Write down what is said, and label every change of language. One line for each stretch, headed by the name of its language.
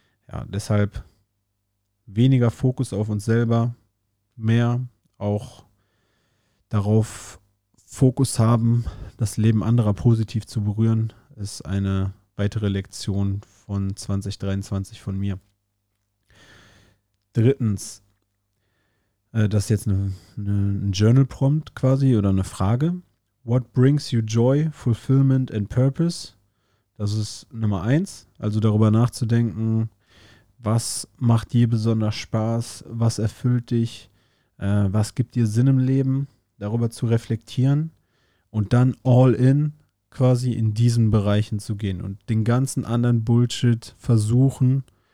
German: Ja, deshalb weniger Fokus auf uns selber, mehr auch darauf Fokus haben, das Leben anderer positiv zu berühren, ist eine weitere Lektion von 2023 von mir. Drittens, das ist jetzt ein Journal-Prompt quasi oder eine Frage.
English: What brings you joy, fulfillment and purpose?
German: Das ist Nummer eins, also darüber nachzudenken, was macht dir besonders Spaß? Was erfüllt dich? Was gibt dir Sinn im Leben? Darüber zu reflektieren und dann all in quasi in diesen Bereichen zu gehen und den ganzen anderen Bullshit versuchen.